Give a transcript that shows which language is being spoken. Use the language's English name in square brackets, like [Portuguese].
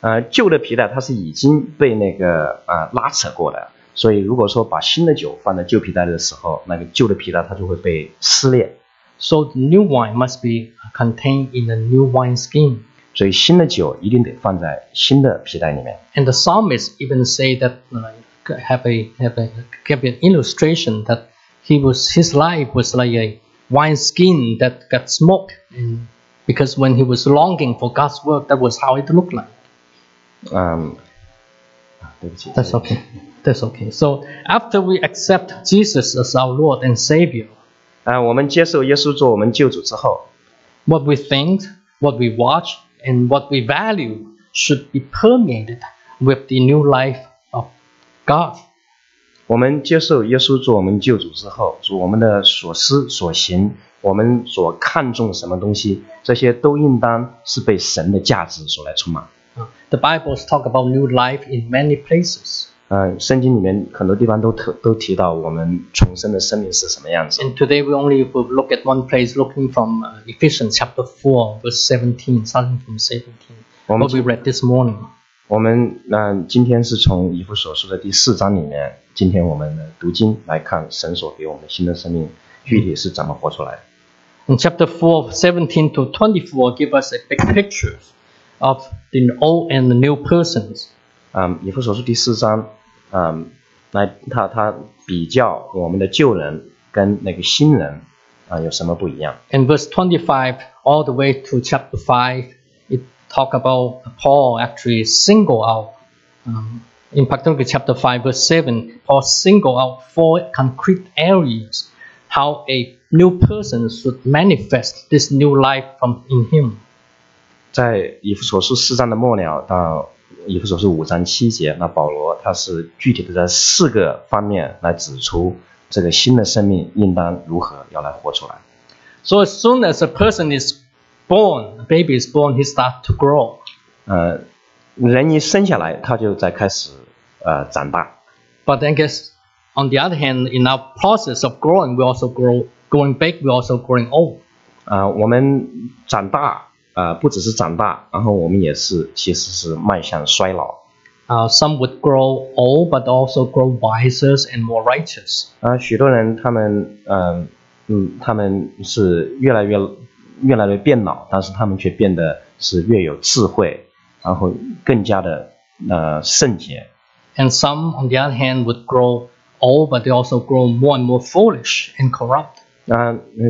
[Chinese] 旧的皮带它是已经被那个拉扯过的，所以如果说把新的酒放在旧皮带的时候，那个旧的皮带它就会被撕裂。 [English] So the new wine must be contained in a new wine skin. [Chinese] 所以新的酒一定得放在新的皮带里面。 [English] And the psalmist even say that have an illustration that his life was like a wine skin that got smoked, because when he was longing for God's work, that was how it looked like. [Chinese] 对不起。 [English] That's okay. That's okay. So after we accept Jesus as our Lord and Savior, [Chinese] 我们接受耶稣做我们救主之后， [English] what we think, what we watch, and what we value should be permeated with the new life of God. [Chinese] 我们接受耶稣做我们救主之后，主我们的所思所行，我们所看重什么东西，这些都应当是被神的价值所来充满。 [English] The Bible talk about new life in many places. [Chinese] 圣经里面很多地方都提到我们重生的生命是什么样子。 [English] And today we only will look at one place, looking from Ephesians chapter 4, verse 17, starting from 17, what we read this morning. [Chinese] 我们今天是从以弗所书的第四章里面，今天我们的读经来看神所给我们新的生命具体是怎么活出来的。 [English] In chapter 4, 17 to 24 give us a big picture of the old and the new persons. [Chinese] 以弗所书第四章它比较我们的旧人跟那个新人有什么不一样。 [English] And verse 25 all the way to chapter 5,talk about Paul actually single out, in particular chapter 5 verse 7, Paul single out four concrete areas how a new person should manifest this new life from in him. [Chinese] 在以弗所书四章的末了到以弗所书五章七节，那保罗他是具体的在四个方面来指出这个新的生命应当如何要来活出来。 [English] So as soon as a person is born, a baby is born, he starts to grow. [Chinese] 人一生下来，他就在开始长大。 [English] But I guess, on the other hand, in our process of growing, we also grow, going back, we also growing old. [Chinese] 我们长大，不只是长大，然后我们也是，其实是迈向衰老。 [English] Some would grow old, but also grow wiser and more righteous. [Chinese] 许多人他们是越来越变老，但是他们却变得是越有智慧，然后更加的圣洁。 [English] And some, on the other hand, would grow old, but they also grow more and more foolish and corrupt.